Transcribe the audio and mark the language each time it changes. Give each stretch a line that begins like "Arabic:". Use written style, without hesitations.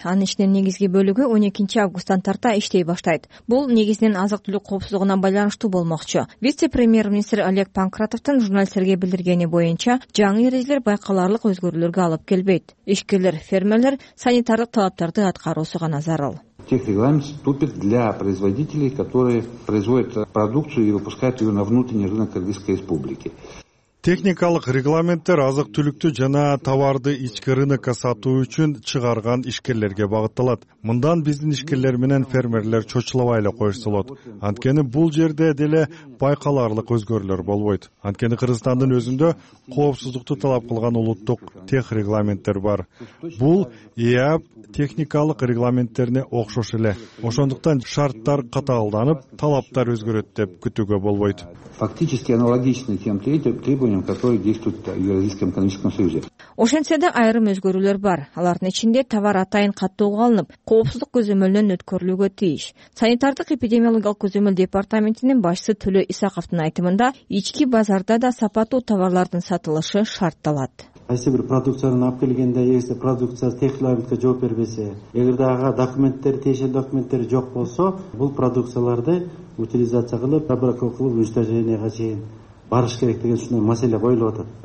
Kyrgyz: Анын ичинен негизги бөлүгү 12 августтан тарта иштей баштайт. Бул негизинен азык түлүк коопсуздугуна байланыштуу болмокчу. Вице-премьер-министр Олег Панкратовдун журналисттерге билдиргени боюнча, жаңы эрежелер байкаларлык өзгөрүүлөргө алып келбейт. Ишкерлер, фермерлер санитардык талаптарды аткаруусуга назарыл.
Russian: Техрегламент вступит для производителей, которые производят продукцию и выпускают ее на внутренний рынок Кыргызской Республики.
Kyrgyz: Техникалык регламенттер азык-түлүктү жана товарды ички рынокко сатуу үчүн чыгарган ишкерлерге багытталат. Мындан биздин ишкерлер менен фермерлер чочулабай эле коюшса болот. Анткени бул жерде деле байкаларлык өзгөрүүлөр болбойт. Анткени Кыргызстандын өзүндө коопсуздукту талап кылган улуттук техрегламенттер бар. Бул ИАП техникалык регламенттерине окшош эле. Ошондуктан шарттар катаалданып, талаптар өзгөрөт деп күтүүгө болбойт.
Russian: Фактически аналогичны тем требованиям, которые действуют в Евразийском экономическом союзе.
Kyrgyz: Ошентсе да айрым өзгөрүүлөр бар. Алардын ичинде товар атайын каттоого алынып, коопсуздук көзөмөлүнөн өткөрүлүүгө тийиш. Санитардык эпидемиологиялык көзөмөл департаментинин башчысы Төлө Исаковдун айтымында, ички базарда да сапаттуу товарлардын сатылышы шартталат. Кайсы бир продукцияны алып келгенде, эгерде продукция техрегламентке жооп бербесе, эгерде ага документтер, тиешелүү документтер жок болсо, бул продукцияларды утилизация кылып, обработка кылып, уничтожениеге чейин барыш керек деген ушундай маселе коюлуп атат.